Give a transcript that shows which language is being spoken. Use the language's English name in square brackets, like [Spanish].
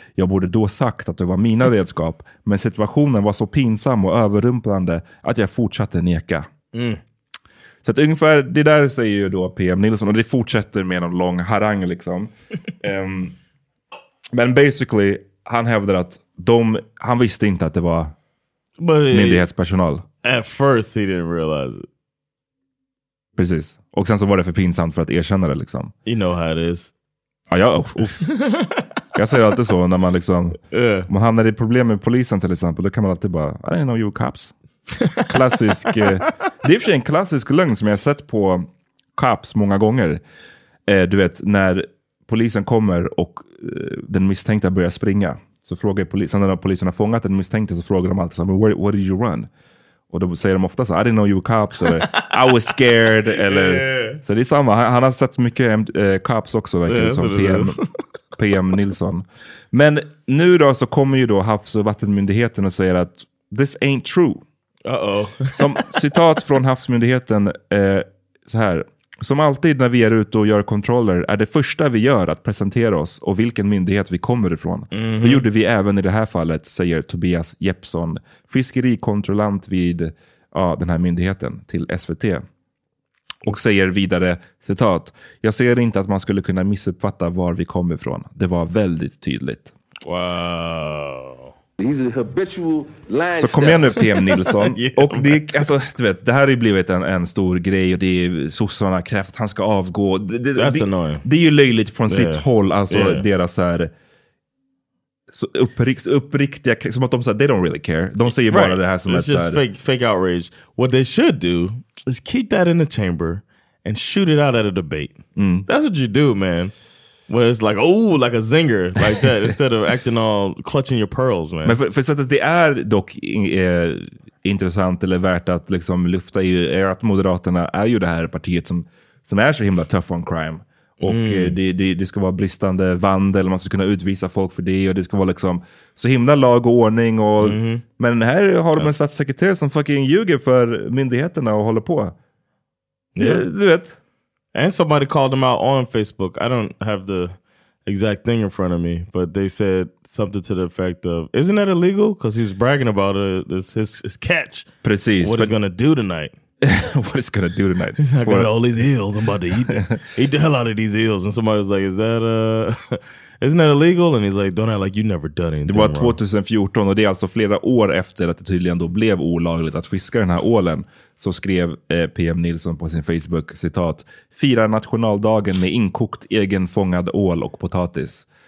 [Swedish] Jag borde då sagt att det var mina redskap, men situationen var så pinsam och överrumplande att jag fortsatte neka. Mm. Så att ungefär det där säger ju då PM Nilsson, och det fortsätter med en lång harang liksom. Men basically, han hävdar att han visste inte att det var myndighetspersonal. [English] At first he didn't realize it. [Swedish] Precis. Och sen så var det för pinsamt för att erkänna det liksom. [English] You know how it is. Ah, ja, uff. [Swedish] Jag säger alltid så när man liksom... Om man hamnar i problem med polisen till exempel, då kan man alltid bara... [English] I didn't know you were cops. [Swedish] Klassisk... det är för sig en klassisk lögn som jag har sett på cops många gånger. Du vet, när polisen kommer och den misstänkta börjar springa. Så frågar polisen... Sen när polisen har fångat den misstänkta så frågar de alltid så här... [English] What did you run? [Swedish] Och då säger de ofta så, [English] I didn't know you were cops, [Swedish] eller [English] I was scared, [Swedish] eller... Yeah. Så det är samma, han har sett mycket cops också, verkligen, yeah, som PM Nilsson. Men nu då så kommer ju då Havs- och vattenmyndigheten och säger att [English] this ain't true. Uh-oh. [Swedish] Som citat från Havsmyndigheten så här, som alltid när vi är ute och gör kontroller är det första vi gör att presentera oss och vilken myndighet vi kommer ifrån. Mm-hmm. Det gjorde vi även i det här fallet, säger Tobias Jeppsson, fiskerikontrollant vid den här myndigheten till SVT. Och säger vidare, citat, jag ser inte att man skulle kunna missuppfatta var vi kommer ifrån. Det var väldigt tydligt. [English] Wow. He's a habitual liar. [Swedish] Så kom igen nu, PM Nilsson. Yeah, och det, alltså, du vet, det här har ju blivit en stor grej och det är sossarna krävt att han ska avgå. Det är ju löjligt från sitt håll, alltså deras så här... Så uppriktiga, som att de säger, [English] they don't really care. [Swedish] De säger bara det här som [English] it's just fake outrage. What they should do is keep that in the chamber and shoot it out at a debate. Mm. That's what you do, man. Where it's like, oh, like a zinger, like that, instead of acting all clutching your pearls, man. [Swedish] Men för så att det är dock intressant eller värt att liksom lyfta ju, är att Moderaterna är ju det här partiet som är så himla [English] tough on crime. [Swedish] Och mm. det ska vara bristande vandel, man ska kunna utvisa folk för det, och det ska vara liksom så himla lag och ordning. Och, mm. Men här har de en statssekreterare som fucking ljuger för myndigheterna och håller på. Yeah. Du vet. [English] And somebody called them out on Facebook. I don't have the exact thing in front of me, but they said something to the effect of, isn't that illegal? Because he's bragging about it. It's his catch. [Swedish] Precis. [English] What he's going to do tonight. What it's gonna do tonight? I got all these eels. I'm about to eat the hell out of these eels. And somebody was like, "Is that isn't that illegal?" And he's like, "Don't act like you never done it." [Swedish] Det var 2014, och det är alltså flera år efter att det tydligen då blev olagligt att fiska den här ålen. Så skrev PM Nilsson på sin Facebook citat: "Fira nationaldagen med inkokt egenfångad ål och potatis."